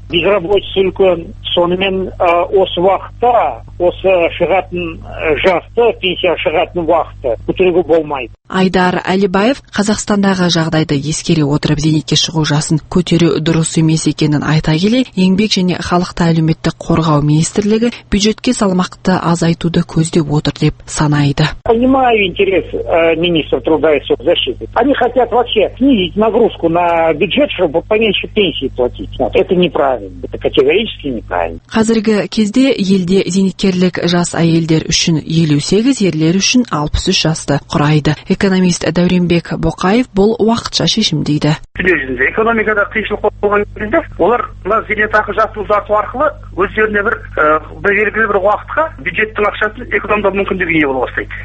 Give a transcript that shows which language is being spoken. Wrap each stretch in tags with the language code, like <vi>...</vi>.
<kk>Безработица үлкен. Сонымен осы уақытта, осы шығатын жасты, пенсия шығатын уақытты күтуге болмайды. Айдар Әлібаев Қазақстандағы жағдайды ескере отырып зейнетке шығу жасын көтеру дұрыс емес екенін айта келе, Еңбек және халықты әлеуметтік қорғау министрлігі бюджетке салмақты азайтуды көздеп отыр деп санайды.</kk> <ru>Понимаю интерес министра труда и соцзащиты. Они хотят вообще снизить нагрузку на бюджет, чтобы поменьше пенсии платить. Вот это неправильно, это категорически неправильно.</ru> <kk>Қазіргі кезде елде зейнеткерлік жас әйелдер үшін 58, ерлер үшін 63 жасты құрайды. Экономист Дәуренбек Боқаев бұл уақытша шешім дейді. Дүниежүзінде экономикада қиыншылық болған кезде олар мына зейнетақы жасын ұзарту арқылы өздеріне бір белгілі бір уақытқа бюджеттің ақшасын экономдау мүмкіндігі ие бола бастайды.</kk>